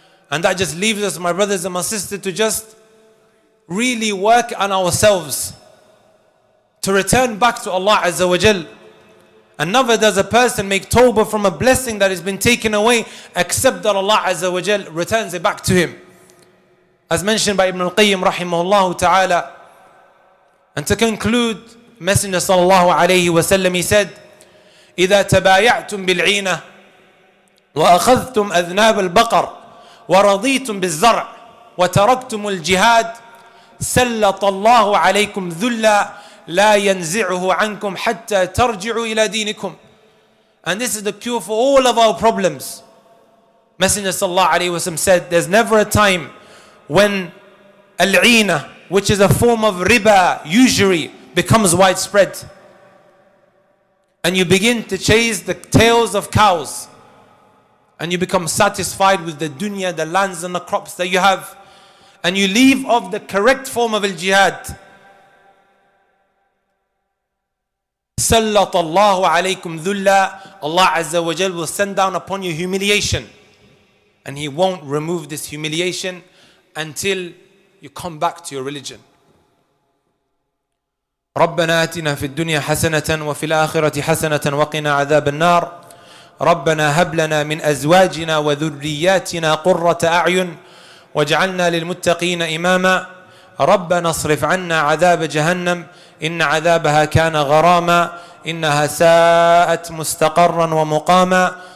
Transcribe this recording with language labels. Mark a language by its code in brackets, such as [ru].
[en] And that just leaves us, my brothers and my sisters, to just really work on ourselves to return back to Allah Azza wa Jal. And never does a person make tawbah from a blessing that has been taken away except that Allah Azza wa Jal returns it back to him. As mentioned by Ibn al-Qayyim rahimahullah ta'ala. And to conclude, Messenger sallallahu alayhi wa sallam, he said, [ar] إِذَا تَبَايَعْتُمْ بِالْعِينَةِ وَأَخَذْتُمْ أَذْنَابَ الْبَقَرِ وَرَضِيتُمْ بِالزَّرْعِ وَتَرَكْتُمُ الْجِهَادِ سَلَّطَ اللَّهُ عَلَيْكُمْ ذُلَّا لَا يَنْزِعُهُ عَنْكُمْ حَتَّى تَرْجِعُوا إِلَى دِينِكُمْ. [en] And this is the cure for all of our problems. Messenger sallallahu alayhi wa sallam said, there's never a time when al-'ina, which is a form of riba, usury, becomes widespread. And you begin to chase the tails of cows. And you become satisfied with the dunya, the lands and the crops that you have. And you leave off the correct form of al-jihad. [ar] سلط الله عليكم ذلا. [en] Allah Azza wa Jal will send down upon you humiliation, and He won't remove this humiliation until you come back to your religion. [ar] ربنا آتنا في الدنيا حسنة وفي الآخرة حسنة وقنا عذاب النار. ربنا هب لنا من أزواجنا وذرياتنا قرة أعين واجعلنا للمتقين إماما. ربنا اصرف عنا عذاب جهنم إن عذابها كان غراما إنها ساءت مستقرا ومقاما.